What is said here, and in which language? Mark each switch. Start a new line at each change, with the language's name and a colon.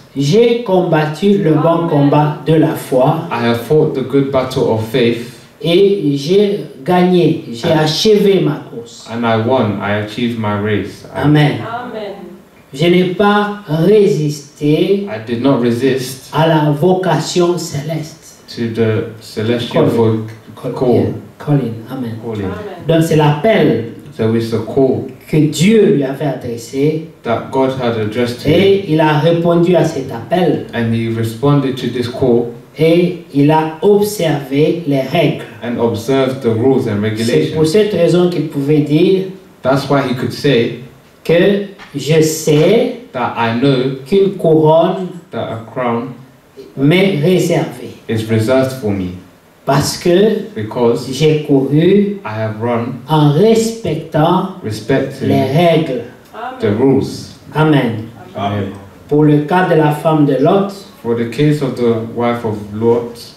French: j'ai combattu le bon combat de la foi.
English: I have fought the good battle of faith.
French: Et j'ai gagné, j'ai achevé ma course.
English: And I won, I achieved my race. Amen. Amen.
French: Je n'ai pas résisté,
English: I did not resist,
French: à la vocation céleste.
English: To the celestial call. Calling. Amen. Calling.
French: Amen. Donc c'est l'appel.
English: So it's the call
French: que Dieu lui avait adressé.
English: That God had addressed to him.
French: Et il a répondu à cet appel.
English: And he responded to this call.
French: Et il a observé les règles.
English: And observed the rules and regulations.
French: C'est pour cette raison qu'il pouvait dire.
English: That's why he could say.
French: Que je sais.
English: That I know.
French: Qu'une couronne.
English: That a crown.
French: M'est réservée.
English: Is reserved for me.
French: Parce que.
English: Because.
French: J'ai couru.
English: I have run.
French: En respectant.
English: Respecting.
French: Les règles.
English: The rules. Amen. Amen.
French: Pour le cas de la femme de Lot.
English: For the case of the wife of Lot,